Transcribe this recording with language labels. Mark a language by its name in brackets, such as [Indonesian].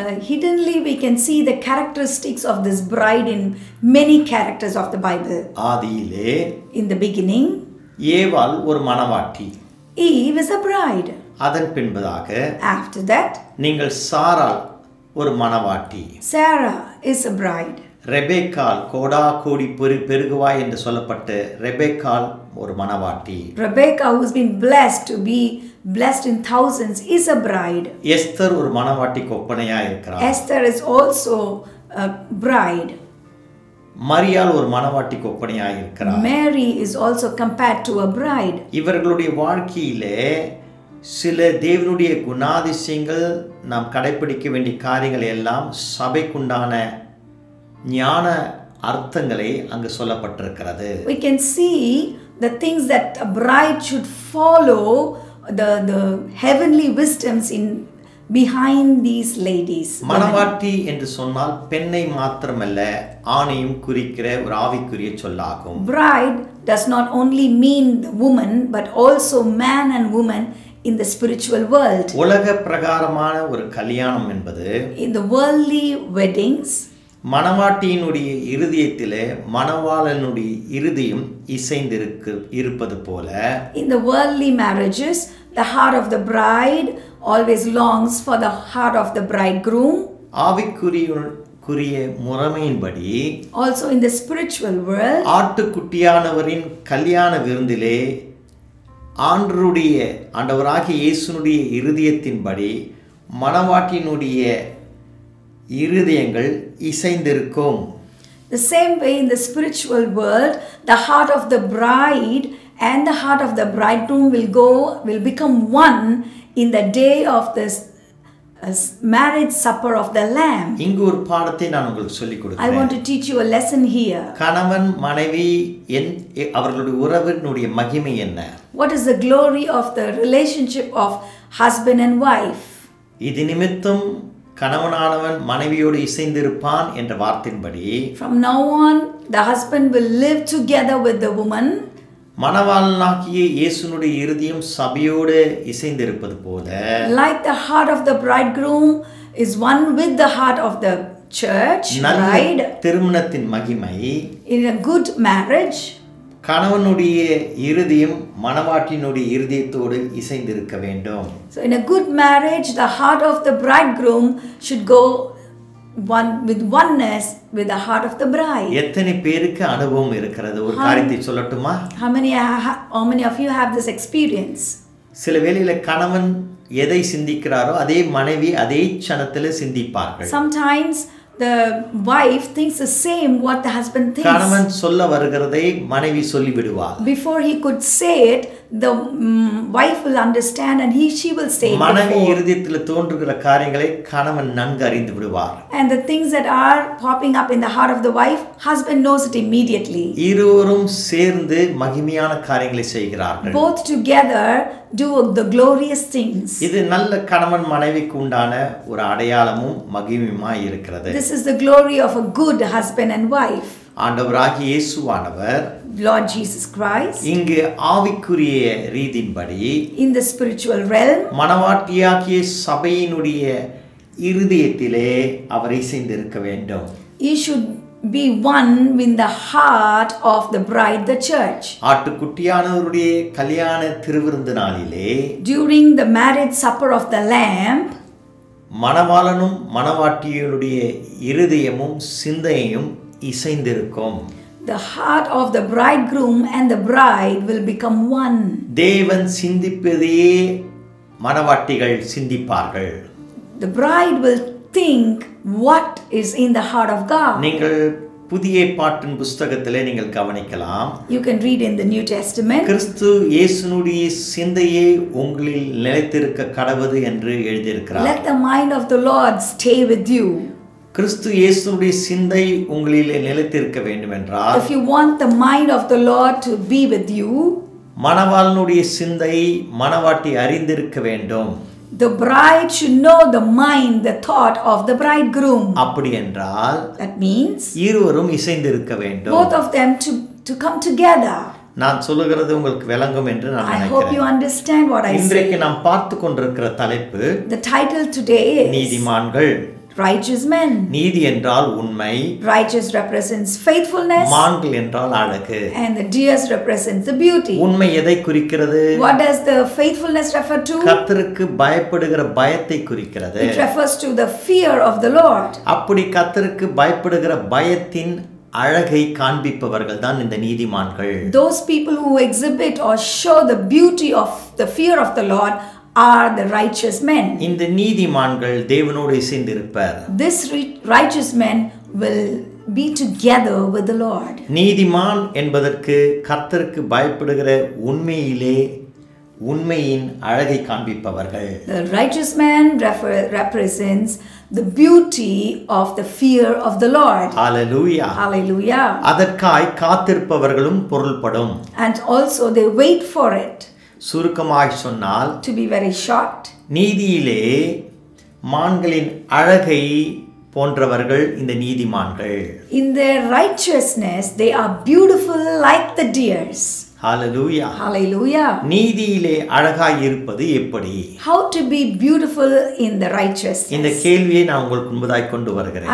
[English] Hiddenly we can see the characteristics of this bride in many characters of the Bible. [Tamil] ஆதியிலே, [English] in the beginning, [Tamil] ஏவாள் ஒரு மனவாட்டி. [English] Eve is a bride. [Tamil] அதன் பின்பதாக, [English] after that, [Tamil] நீங்கள் சாராள் ஒரு மனவாட்டி. [English] Sarah is a bride. [Tamil] ரெபேக்காள், கோடா கூடி பெருகுவாய் என்று சொல்லப்பட்ட ரெபேக்காள் ஒரு மனவாட்டி. [English] Rebecca who has been blessed to be blessed in thousands is a bride. [Tamil] Esther ஒரு மனவாட்டி கொப்பனையாய் இருக்கிறாள். [English] Esther is also a bride. [Tamil] மரியாள் ஒரு மனவாட்டி கொப்பனையாய் இருக்கிறாள். [English] Mary is also compared to a bride. [Tamil] இவர்களுடைய வாழ்க்கையிலே சில தேவனுடைய குணாதிசயங்கள், நாம் கடைபிடிக்க வேண்டிய காரியங்கள் எல்லாம் சபைக்குண்டான ஞான அர்த்தங்களை அங்கு சொல்லப்பட்டிருக்கிறது. [English] We can see the things that a bride should follow, the heavenly wisdoms in behind these ladies. [Tamil] மனவாட்டி என்று சொன்னால் பெண்ணை மாத்திரமல்ல ஆணையும் குறிக்கிற ஒரு ஆவிக்குரிய சொல்லாகும். [English] Bride does not only mean the woman but also man and woman in the spiritual world. [Tamil] உலக பிரகாரமான ஒரு கல்யாணம் என்பது [English] in the worldly weddings, [Tamil] மனவாட்டியினுடைய இருதயத்திலே மணவாளனுடைய இருதயம் இசைந்திருக்கு இருப்பது போல [English] in the worldly marriages, the heart of the bride always longs for the heart of the bridegroom. [Tamil] ஆவிக்குரிய குறிய முறைமையின்படி [English] also in the spiritual world [Tamil] ஆட்டுக்குட்டியானவரின் கல்யாண விருந்திலே ஆண்டருடைய ஆண்டவராகிய இயேசுனுடைய இருதயத்தின்படி மனவாட்டினுடைய இருதயங்கள் இசைந்திருக்கும். [English] The same way in the spiritual world, the heart of the bride and the heart of the bridegroom will become one in the day of this marriage supper of the lamb. [Tamil] இங்கு ஒரு பாடத்தை நான் உங்களுக்கு சொல்லி கொடுக்கிறேன். [English] I want to teach you a lesson here. [Tamil] கணவன் மனைவி அவர்களுடைய உறவினுடைய மகிமை என்ன? [English] What is the glory of the relationship of husband and wife? [Tamil] இது நிமித்தம் கணவனானவன் மனைவியோடு இசைந்திருப்பான் என்ற வார்த்தையின்படி [English] From now on, the husband will live together with the woman. [Tamil] மனவாளனாகிய இயேசுனுடைய இருதயம் சபையோடு இசைந்திருப்பது போல [English] Like the heart of the bridegroom is one with the heart of the church, bride. [Tamil] திருமணத்தின் மகிமை [English] In a good marriage, [Tamil] கணவனுடைய இருதயம் மனவாட்டினுடைய இருதயத்தோடு இசைந்திருக்க வேண்டும். [English] So in a good marriage, the heart of the bridegroom should go one with oneness with the heart of the bride. [Tamil] எத்தனை பேருக்கு அனுபவம் இருக்கிறது ஒரு காரியத்தை சொல்லட்டுமா? [English] How many of you have this experience? [Tamil] சில வேளையில கணவன் எதை சிந்திக்கிறாரோ அதே மனைவி அதே க்ஷணத்தில் சிந்திப்பார்கள். [English] Sometimes the wife thinks the same what the husband thinks. [Tamil] கணவன் சொல்ல வருகிறதை மனைவி சொல்லி விடுவார். [English] Before he could say it, the wife will understand and she will say it. [Tamil] மனைவி இதயத்தில் தோன்றுகிற காரியங்களை கணவன் நன்கு அறிந்து விடுவார். [English] And the things that are popping up in the heart of the wife, husband knows it immediately. [Tamil] இருவரும் சேர்ந்து மகிமையான காரியங்களை செய்கிறார்கள். [English] Both together do the glorious things. [Tamil] இது நல்ல கணவன் மனைவிக்கு உண்டான ஒரு அடையாளமும் மகிமையுமாய் இருக்கிறது. [English] This is the glory of a good husband and wife. [Tamil] ஆண்டவராகிய இயேசுவானவர் [English] Lord Jesus Christ [Tamil] இங்கு ஆவிக்குரிய ரீதியின்படி [English] In the spiritual realm [Tamil] மனவாட்டியாகிய சபையினுடைய இருதயத்திலே அவர் இசைந்திருக்க வேண்டும். [English] He should be one with the heart of the bride, the church. [Tamil] ஆட்டுக்குட்டியானவருடைய கல்யாண திருவிருந்து நாளிலே [English] During the marriage supper of the lamb [Tamil] மனவாளனும் மனவாட்டியினுடைய இருதயமும் சிந்தையும் இசைந்திருக்கும். [English] The heart of the bridegroom and the bride will become one. [Tamil] தேவன் சிந்திப்பதே மனவாட்டிகள் சிந்திப்பார்கள். [English] The bride will think what is in the heart of God. [Tamil] நீங்கள் புதிய பாட்டின் புத்தகத்திலே நீங்கள் கவனிக்கலாம். [English] You can read in the New Testament. [Tamil] கிறிஸ்து இயேசுனுடைய சிந்தையே உங்களில் நிலைத்திருக்க கடவுது என்று எழுதியிருக்கிறார். [English] Let the mind of the Lord stay with you. [Tamil] கிறிஸ்து இயேசுவின் சிந்தை உங்களிலே நிலைத்திருக்க வேண்டும் என்றால் [English] If you want the mind of the Lord to be with you [Tamil] மனவாளனுடைய சிந்தை மனவாட்டி அறிந்திருக்க வேண்டும். [English] The bride should know the mind, the thought of the bridegroom. [Tamil] அப்படி என்றால் [English] That means [Tamil] இருவரும் இசைந்திருக்க வேண்டும். [English] Both of them to come together. [Tamil] நான் சொல்லுகிறது உங்களுக்கு விளங்கும் என்று நான் நினைக்கிறேன். [English] I hope you understand what I say. [Tamil] இன்றைக்கு நாம் பார்த்து கொண்டிருக்கிற தலைப்பு [English] The title today is [Tamil] நீதிமான்கள் [English] Righteous men. [Tamil] நீதி என்றால் உண்மை. [English] Righteous represents faithfulness. [Tamil] மான்கள் என்றால் அழகு. [English] And the deer represents the beauty. [Tamil] உண்மை எதை குறிக்கிறது? [English] What does the faithfulness refer to? [Tamil] கர்த்தருக்கு பயப்படுகிற பயத்தை குறிக்கிறது. [English] It refers to the fear of the Lord. [Tamil] அப்படி கர்த்தருக்கு பயப்படுகிற பயத்தின் அழகை காண்பிப்பவர்கள் தான் இந்த நீதிமான்கள். [English] Those people who exhibit or show the beauty of the fear of the Lord are the righteous men [Tamil] இந்த நீதிமான்கள் தேவனோடு இசைந்திருப்பர். [English] This righteous men will be together with the Lord. [Tamil] நீதிமான் என்பதற்கு கர்த்தருக்கு பயப்படுகிற உண்மையிலே உண்மையின் அழகை காண்பிப்பவர்கள். [English] The righteous man represents the beauty of the fear of the Lord. Hallelujah. Hallelujah. [Tamil] அதற்காய் காத்திருப்பவர்களும் பொருள்படும். [English] And also they wait for it. [Tamil] சுருக்கமாக சொன்னால் [English] To be very short [Tamil] நீதியிலே மான்களின் அழகை போன்றவர்கள் இந்த நீதிமான்கள். [English] In their righteousness they are beautiful like the deers. Hallelujah. Hallelujah. [Tamil] நீதியிலே அழகாய் இருப்பது எப்படி? [English] How to be beautiful in the righteousness? [Tamil] இந்த கேள்வியை நான் உங்களுக்கு முன்பதாய் கொண்டு வருகிறேன்.